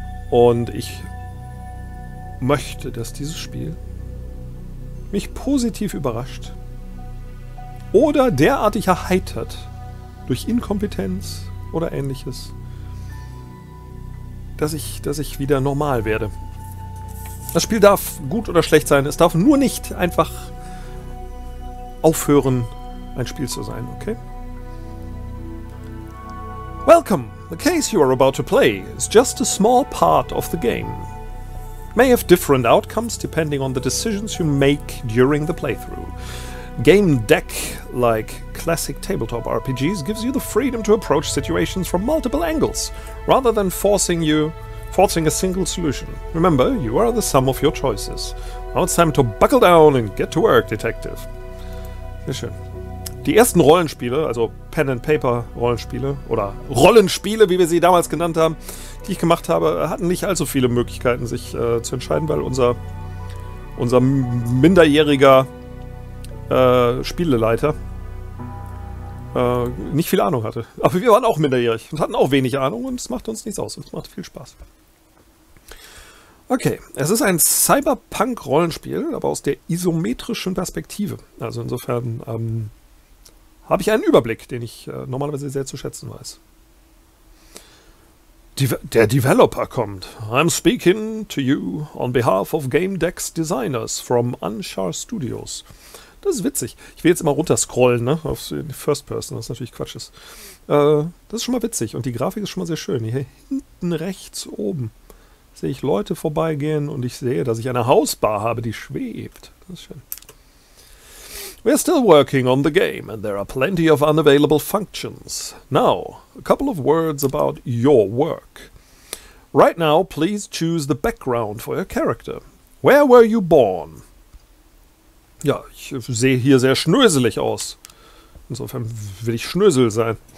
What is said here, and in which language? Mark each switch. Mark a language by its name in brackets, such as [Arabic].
[German] Und ich möchte, dass dieses Spiel mich positiv überrascht oder derartig erheitert durch Inkompetenz oder ähnliches, dass ich wieder normal werde. Das Spiel darf gut oder schlecht sein. Es darf nur nicht einfach aufhören, ein Spiel zu sein, okay? [English] Welcome! The case you are about to play is just a small part of the game. May have different outcomes depending on the decisions you make during the playthrough. Game deck, like classic tabletop RPGs, gives you the freedom to approach situations from multiple angles, rather than forcing a single solution. Remember, you are the sum of your choices. Now it's time to buckle down and get to work, Detective. [German] Sehr schön. Die ersten Rollenspiele, also Pen and Paper Rollenspiele oder Rollenspiele, wie wir sie damals genannt haben, die ich gemacht habe, hatten nicht allzu viele Möglichkeiten, sich zu entscheiden, weil unser minderjähriger Spieleleiter nicht viel Ahnung hatte. Aber wir waren auch minderjährig und hatten auch wenig Ahnung und es machte uns nichts aus und es machte viel Spaß. Okay, es ist ein Cyberpunk-Rollenspiel, aber aus der isometrischen Perspektive. Also insofern habe ich einen Überblick, den ich normalerweise sehr zu schätzen weiß. Der Developer kommt. [English] I'm speaking to you on behalf of Game Deck's Designers from Anshar Studios. [German] Das ist witzig. Ich will jetzt immer runterscrollen, ne? Auf First Person, was natürlich Quatsch ist. Das ist schon mal witzig und die Grafik ist schon mal sehr schön. Hier hinten rechts oben sehe ich Leute vorbeigehen und ich sehe, dass ich eine Hausbar habe, die schwebt. Das ist schön. [English] We are still working on the game and there are plenty of unavailable functions. Now, a couple of words about your work. Right now, please choose the background for your character. Where were you born? [German] Ja, ich sehe hier sehr schnöselig aus. Insofern will ich Schnösel sein.